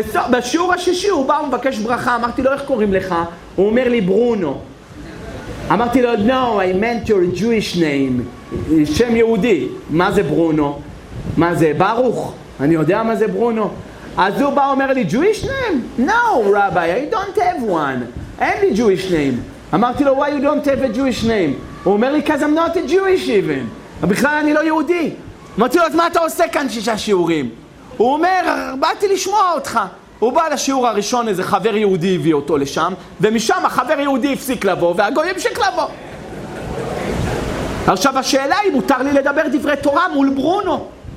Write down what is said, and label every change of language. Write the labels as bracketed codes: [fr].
[he] בשיעור השישי הוא בא ומבקש ברכה, אמרתי לו איך קוראים לך? הוא אומר לי ברונו. אמרתי לו, [en] no, I meant your Jewish name, [he] שם יהודי. מה זה ברונו? מה זה ברוך? אני יודע מה זה ברונו. אז הוא בא ואומר לי, [en] Jewish name? No, Rabbi, I don't have one. [he] אין לי Jewish name. אמרתי לו, [en] why you don't have a Jewish name? [he] הוא אומר לי, [en] because I'm not a Jewish even. [he] בכלל אני לא יהודי. אמרתי לו, אז מה אתה עושה כאן 6 שיעורים? הוא אומר, באתי לשמוע אותך. הוא בא לשיעור הראשון, איזה חבר יהודי הביא אותו לשם, ומשם החבר יהודי הפסיק לבוא, והגוי המשיך לבוא. עכשיו השאלה היא, מותר לי לדבר דברי תורה מול ברונו?